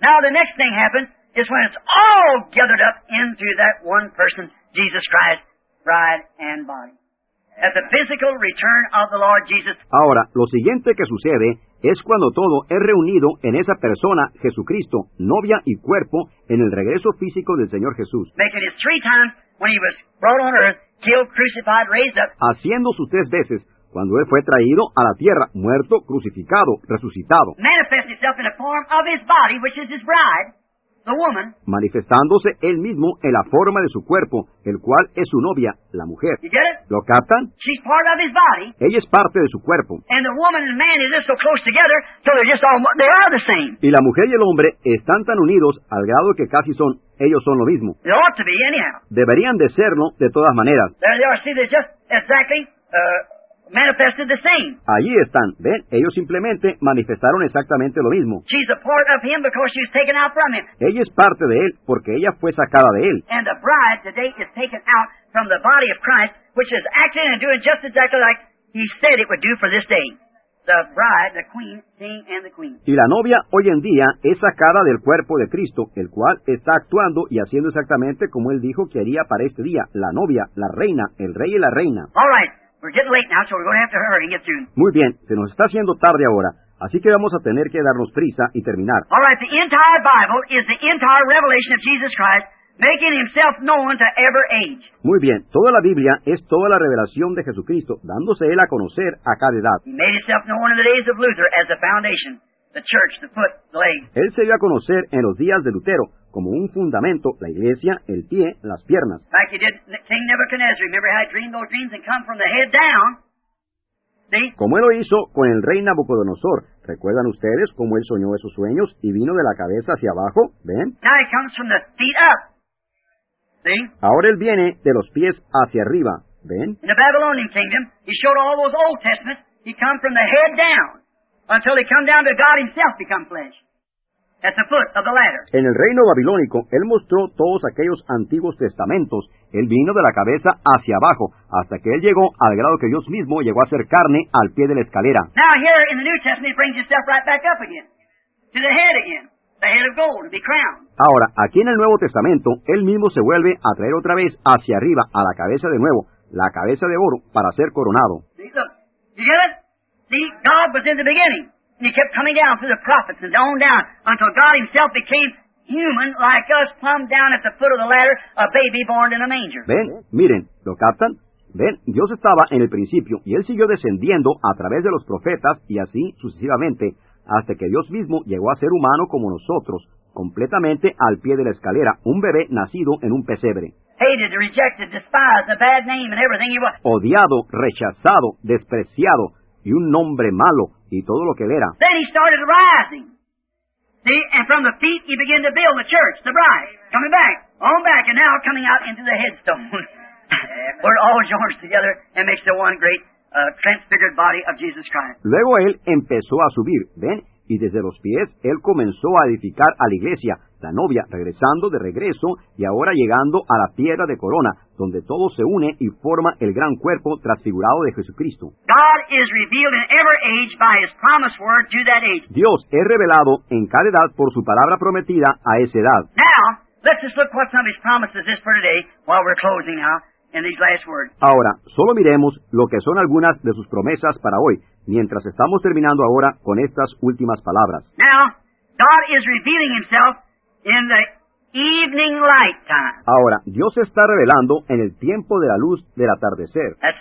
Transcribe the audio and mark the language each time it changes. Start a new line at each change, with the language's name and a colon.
English: Now the next thing happens is when it's all gathered up into that one person, Jesus Christ, bride and body. At the physical return of the Lord Jesus.
Spanish: Ahora, lo siguiente que sucede es cuando todo es reunido en esa persona, Jesucristo, novia y cuerpo, en el regreso físico del Señor Jesús.
English: Making it three times when he was brought on earth, killed, crucified, raised up.
Spanish: Haciendo sus tres veces, cuando él fue traído a la tierra, muerto, crucificado, resucitado.
English: Manifest himself in the form of his body, which is his bride, the woman.
Spanish: Manifestándose él mismo en la forma de su cuerpo, el cual es su novia, la mujer.
English: You get it?
Spanish: ¿Lo captan?
English: She's part of his body.
Spanish: Ella es parte de su cuerpo.
English: And the woman and man is so close together, so they're just all, they are the same.
Spanish: Y la mujer y el hombre están tan unidos al grado que casi son, ellos son lo mismo.
English: They ought to be, anyhow.
Spanish: Deberían de serlo, de todas maneras.
English: There they are, see, they're just exactly, manifested the same.
Spanish: Allí están, ven, ellos simplemente manifestaron exactamente lo mismo.
English: She's a part of him because she was taken out from him.
Spanish: Ella es parte de él porque ella fue sacada de él.
English: And the bride today is taken out from the body of Christ, which is acting and doing just exactly like he said it would do for this day. The bride, the queen, king and the queen.
Spanish: Y la novia hoy en día es sacada del cuerpo de Cristo, el cual está actuando y haciendo exactamente como él dijo que haría para este día, la novia, la reina, el rey y la reina.
English: All right. We're getting late now, so we're going to have to hurry and get through.
Spanish: Muy bien, se nos está haciendo tarde ahora, así que vamos a tener que darnos prisa y terminar.
English: All right, the entire Bible is the entire revelation of Jesus Christ, making himself known to every age.
Spanish: Muy bien, toda la Biblia es toda la revelación de Jesucristo, dándose él a conocer a cada edad.
English: He made himself known in the days of Luther as the foundation, the church, the foot, the leg.
Spanish: Él se dio a conocer en los días de Lutero, como un fundamento, la iglesia, el pie, las piernas.
English: Like he did King Nebuchadnezzar. Remember how he dreamed those dreams and come from the head down? See?
Spanish: Como él lo hizo con el rey Nabucodonosor. ¿Recuerdan ustedes cómo él soñó esos sueños y vino de la cabeza hacia abajo? ¿Ven?
English: Now he comes from the feet up. See?
Spanish: Ahora él viene de los pies hacia arriba. ¿Ven?
English: In the Babylonian kingdom, he showed all those Old Testaments. He come from the head down until he come down to God himself become flesh. At the foot of the ladder.
Spanish: En el reino babilónico, él mostró todos aquellos antiguos testamentos. Él vino de la cabeza hacia abajo, hasta que él llegó al grado que Dios mismo llegó a ser carne al pie de la escalera.
English: Now here in the New Testament, he brings himself right back up again. To the head again. The head of gold, to be crowned.
Spanish: Ahora, aquí en el Nuevo Testamento, él mismo se vuelve a traer otra vez hacia arriba, a la cabeza de nuevo, la cabeza de oro, para ser coronado.
English: See, look. You get it? See, God was in the beginning. And he kept coming down through the prophets and on down until God himself became human like us, plumb down at the foot of the ladder, a baby born in a manger.
Spanish: Ven, miren, ¿lo captan? Ven, Dios estaba en el principio y él siguió descendiendo a través de los profetas y así sucesivamente, hasta que Dios mismo llegó a ser humano como nosotros, completamente al pie de la escalera, un bebé nacido en un pesebre.
English: Hated, rejected, despised, a bad name and everything he was.
Spanish: Odiado, rechazado, despreciado, y un nombre malo, y todo lo que él era.
English: Then he started rising. See, and from the feet he began to build the church, the bride. Coming back, on back, and now coming out into the headstone. Where it all joins together and makes the one great transfigured body of Jesus Christ.
Spanish: Luego él empezó a subir, ven, y desde los pies él comenzó a edificar a la iglesia, la novia, regresando de regreso y ahora llegando a la piedra de corona, donde todo se une y forma el gran cuerpo transfigurado de Jesucristo.
English: God is revealed in every age by his promised word to that age.
Spanish: Dios es revelado en cada edad por su palabra prometida a esa edad.
English: Now, let's just look what some of his promises is for today while we're closing now. In these last words.
Spanish: Ahora, solo miremos lo que son algunas de sus promesas para hoy, mientras estamos terminando ahora con estas últimas palabras.
English: Now, God is revealing himself in the evening light time.
Spanish: Ahora, Dios se está revelando en el tiempo de la luz del atardecer.